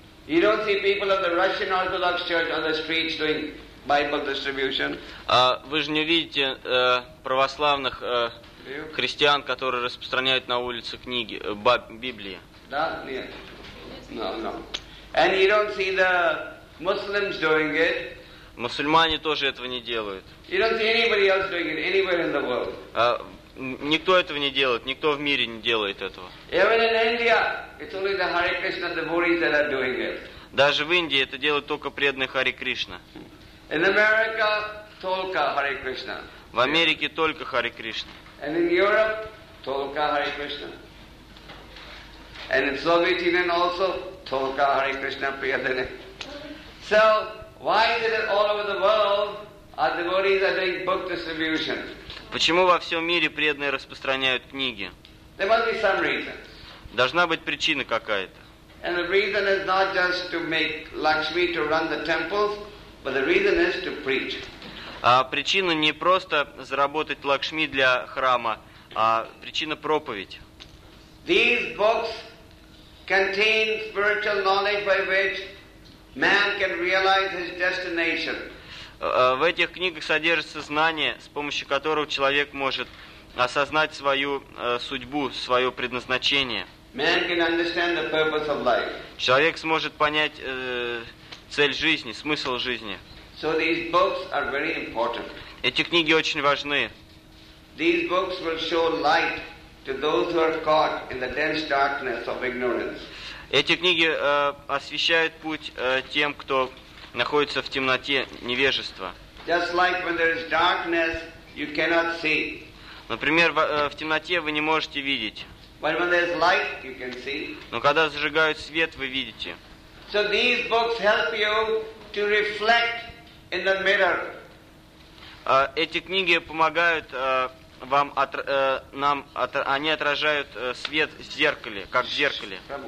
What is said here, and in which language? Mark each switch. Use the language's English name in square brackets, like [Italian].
[English] You don't see people of the Russian Orthodox Church on the streets doing Bible distribution. [Russian] Вы же не видите православных христиан, которые распространяют на улице книги Библии. Да, нет. [English] No. And you don't see the Muslims doing it. [Russian] Мусульмане тоже этого не делают. [English] You don't see anybody else doing it anywhere in the world. [Russian] Никто этого не делает, никто в мире не делает этого. [English] Even in India, it's only the Hare Krishna devotees that are doing it. [Russian] Даже в Индии это делают только преданные Харе Кришна. [English] In America, [Russian] только [English] Hare Krishna. [Russian] В Америке только Харе Кришна. [English] And in Europe, [Russian] только [English] Hare Krishna. And in Soviet Union also, [Russian] только Hare Krishna преданные. [English] So, why is it that all over the world our devotees are doing book distribution? [Russian] Почему во всем мире преданные распространяют книги? [English] There must be some reason. [Russian] Должна быть причина какая-то. [English] And the reason is not just to make Lakshmi to run the temples, but the reason is to preach. [Russian] Причина не просто заработать Лакшми для храма, а причина проповедь. [English] These books contain spiritual knowledge by which man can realize his destination. [Russian] В этих книгах содержится знание, с помощью которого человек может осознать свою судьбу, свое предназначение. [English] Man can understand the purpose of life. [Russian] Человек сможет понять цель жизни, смысл жизни. [English] So these books are very important. [Russian] Эти книги очень важны. [English] These books will show light to those who are caught in the dense darkness of ignorance. [Russian] Эти книги освещают путь тем, кто находится в темноте невежества. [English] Just like when there is darkness, you cannot see. [Russian] Например, в темноте вы не можете видеть. [English] But when there is light, you can see. [Russian] Но когда зажигают свет, вы видите. [English] So these books help you to reflect in the mirror. [Russian] Эти книги помогают вам, нам, они отражают свет в зеркале, как в зеркале.